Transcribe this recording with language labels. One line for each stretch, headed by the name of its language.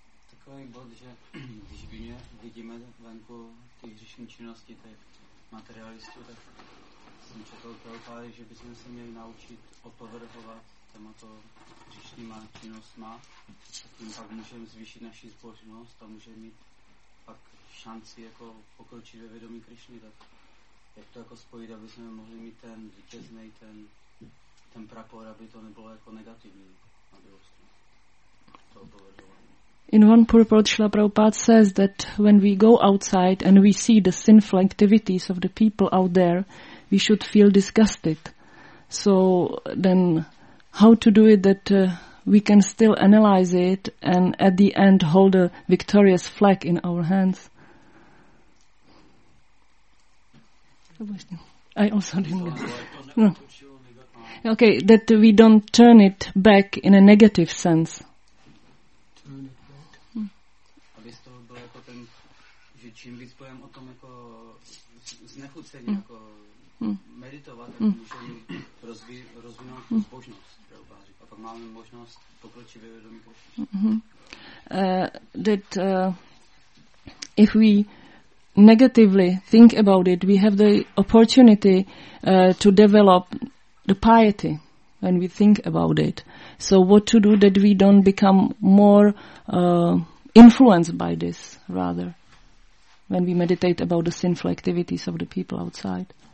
Czech: Takový bod, že když vidíme venku ty hřišní činnosti, ty materialistů, tak jsem četl Prabhupády, že bychom se měli naučit opovrhovat těmato hřišníma činnostma a tím pak můžeme zvýšit naši zbožnost a můžeme mít pak šanci jako pokročit ve vědomí Krišny. Tak jak to jako spojit, aby jsme mohli mít ten vítěznej, ten prapor, aby to nebylo jako negativní na druhou stranu.
English: In one purport, Srila Prabhupada says that when we go outside and we see the sinful activities of the people out there, we should feel disgusted. So then how to do it that we can still analyze it and at the end hold a victorious flag in our hands? I also didn't get it. No. Okay, that we don't turn it back in a negative sense.
Czech: Aby z toho bylo jako ten, že čím víc budeme o tom jako znechucení jako meditovat, tak můžeme rozvinout zbožnost. A pak máme možnost pokročit ve vědomí Krišny.
English: That if we negatively think about it, we have the opportunity to develop the piety when we think about it. So what to do that we don't become more influenced by this, rather, when we meditate about the sinful activities of the people outside.